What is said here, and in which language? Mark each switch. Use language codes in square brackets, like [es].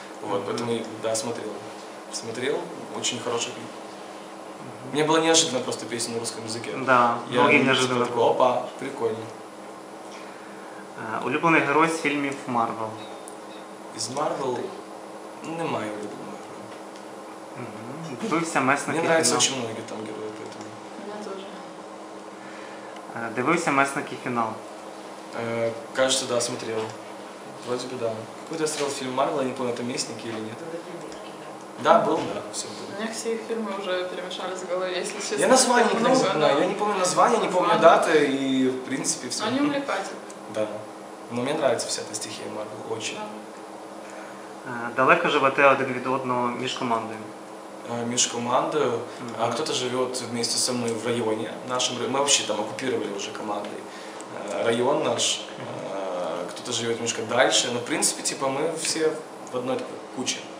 [ru] Вот, поэтому, да, смотрел. Смотрел, очень хороший клип. Мне было неожиданно просто песня на русском языке. Да, многие неожиданно. Такой, опа, прикольно. [uk] Улюблений герой з фільмів Марвел. Із Марвел немає улюбленого героя. Дивився месник фільмів. Мені подобається дуже багато там героїв, поэтому. Мені теж. Дивився месник і фінал. [ru] Кажется, да, смотрел. Вроде бы да. Какой-то я смотрел фільм Марвел, я не помню, это месники или нет. Да, был, да, все было. У меня все их фильмы уже перемешались в голове, если честно. Я название не знаю, но... я не помню название, не помню даты и в принципе все. Но они увлекательны. Да. Но мне нравится вся эта стихия Марвел, очень. Да. [uk] Далеко живете один від одного між командою? Між командою? [ru] А кто-то живет вместе со мной в районе нашем. Мы вообще там оккупировали уже командой район наш. Кто-то живет немножко дальше. Но в принципе, типа, мы все в одной такой куче.